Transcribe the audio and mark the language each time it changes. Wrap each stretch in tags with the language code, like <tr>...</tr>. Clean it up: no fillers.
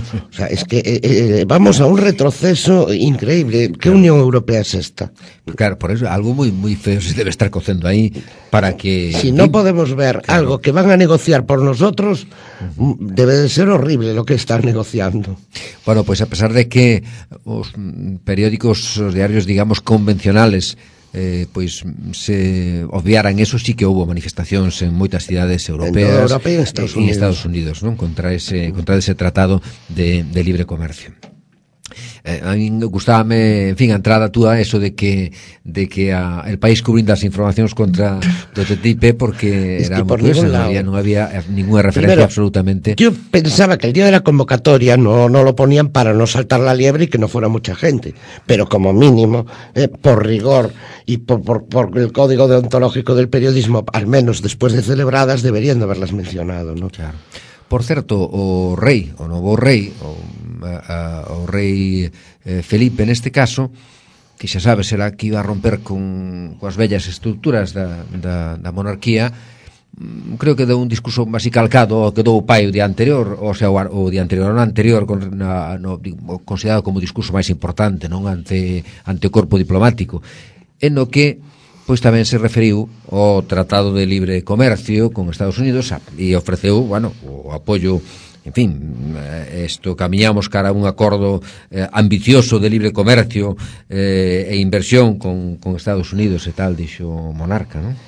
<es>O sea, es que vamos a un retroceso increíble. ¿Qué Unión Europea es esta? Claro, por eso algo muy, muy feo se debe estar cociendo ahí para que... Si no podemos ver algo que van a negociar por nosotros, debe de ser horrible lo que está negociando. Bueno, pues a pesar de que</es> <gl>os periódicos, os diarios,</gl> <es>digamos, convencionales, pues se obviaran eso, sí que hubo</es> <gl>manifestacións en moitas cidades europeas,</gl> <es>en Europa y Estados Unidos, ¿no? Contra ese tratado de libre comercio.</es> <gl>A mí gustábame, en fin, a entrada túa eso de que a El País cubrindo as informacións contra do TTIP, porque era moi por curioso, non había ninguna referencia.</gl> <es>Primero, absolutamente. Yo pensaba que el día de la convocatoria no lo ponían para no saltar la liebre y que no fuera mucha gente, pero como mínimo, por rigor y por el código deontológico del periodismo, al menos después de celebradas, deberían de haberlas mencionado, ¿no? Claro.</es> <gl>Por certo, o rei, o novo rei, o rei Felipe en este caso, que xa sabe, será que iba a romper coas bellas estructuras da monarquía, creo que deu un discurso máis calcado ao que dou o pai o día anterior, ou sea, o día anterior, non anterior, considerado como discurso máis importante, non, ante o corpo diplomático, en o que pois tamén se referiu ao Tratado de Libre Comercio con Estados Unidos e ofreceu, bueno, o apoio, en fin, isto, camiñamos cara a un acordo ambicioso de libre comercio e inversión con Estados Unidos e tal, dixo o monarca, non?</gl>